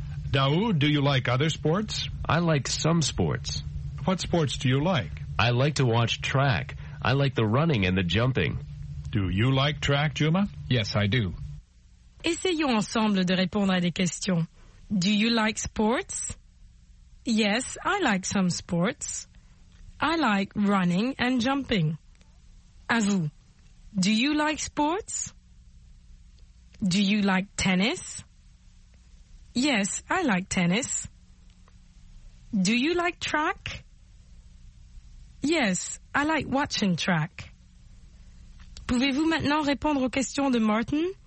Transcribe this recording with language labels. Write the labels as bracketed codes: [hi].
[en] Daoud, do you like other sports? I like some sports. What sports do you like? I like to watch track. I like the running and the jumping. Do you like track, Juma? Yes, I do. [fr] Essayons ensemble de répondre à des questions. [en] Do you like sports? Yes, I like some sports. I like running and jumping. [fr] À vous. [en] Do you like sports? Do you like tennis? Yes, I like tennis. Do you like track? Yes, I like watching track. [fr] Pouvez-vous maintenant répondre aux questions de Martin?